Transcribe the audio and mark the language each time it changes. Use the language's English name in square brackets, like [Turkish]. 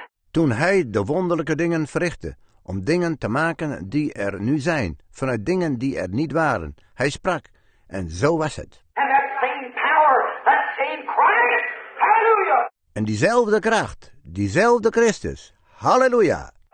[Dutch] Toen hij de wonderlijke dingen verrichtte. Om dingen te maken die er nu zijn, vanuit dingen die er niet waren. Hij sprak, en zo was het. [English] And that same power, that same Christ. Hallelujah. [Dutch] En diezelfde kracht, diezelfde Christus. Halleluja!